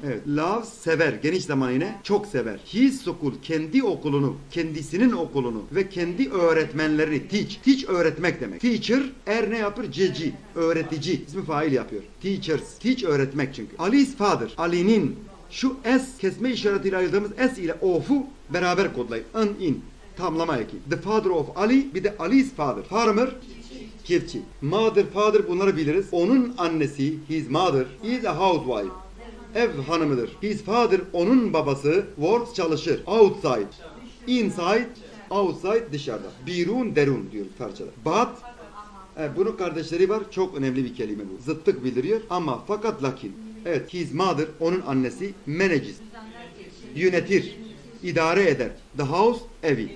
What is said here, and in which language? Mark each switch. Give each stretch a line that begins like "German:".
Turkish: Evet, love, sever, geniş zamanı ne? Çok sever.
English: His school,
Turkish: kendi okulunu, kendisinin okulunu ve kendi öğretmenlerini, teach, teach öğretmek demek. Teacher, er ne yapıyor? Cici, öğretici, ismi fail yapıyor. Teachers, teach öğretmek çünkü. Ali is father, Ali in. Şu S kesme işaretiyle ayırdığımız S ile of'u beraber kodlayın. An in. Tamlama eki.
English: The father of Ali, bir de Ali's father.
Turkish: Farmer, çiftçi. Mother, father bunları biliriz. Onun annesi,
English: his mother, is a housewife.
Turkish: Ev hanımıdır.
English: His father,
Turkish: onun babası,
English: works, çalışır. Outside, inside, outside, dışarıda.
Turkish: Birun, derun diyor Farsçada. But, bunun kardeşleri var. Çok önemli bir kelime bu. Zıttık bildiriyor. Ama fakat lakin. Evet,
English: his mother,
Turkish: onun annesi, manages, yönetir, idare eder.
English: The house,
Turkish: evi.